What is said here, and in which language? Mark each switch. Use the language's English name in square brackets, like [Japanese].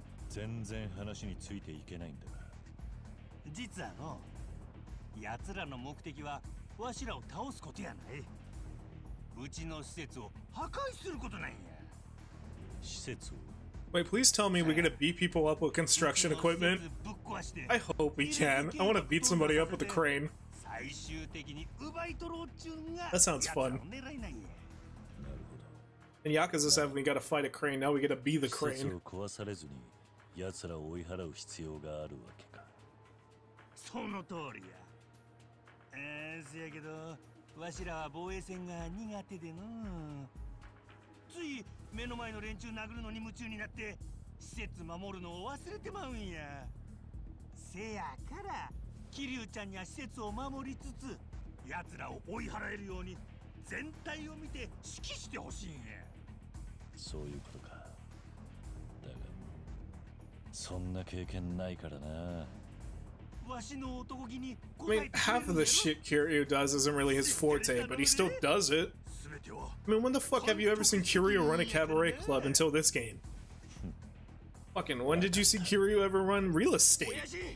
[Japanese] 全然話についていけないんだが。実はの、奴らの目的はわしらを倒すことやない。うちの施設を破壊することなんや。施設を。 [English] Wait, please tell me we're gonna beat people up with construction equipment. [Japanese] ぶっ壊して。 [English] I hope we can. I wanna beat somebody up with a crane. [Japanese] 最終的に奪い取ろうっちゅうんが。 [English] That sounds fun. [Japanese] なるほど。 [English] In Yakuza 7, we gotta fight a crane, now we gotta be the crane. [Japanese] 施設を壊されずに奴らを追い払う必要があるわけか。その通りや。せやけど、 わしらは防衛戦が苦手での。つい目の前の連中殴るのに夢中になって、 施設守るのを忘れてまうんや。せやから、 キリュウちゃんには施設を守りつつ、 奴らを追い払えるように、 全体を見て指揮してほしいんや。そういうことか。だが、 そんな経験ないからな。 [English] I mean, half of the shit Kiryu does isn't really his forte, but he still does it. I mean, when the fuck have you ever seen Kiryu run a cabaret club until this game? Fucking, when did you see Kiryu ever run real estate?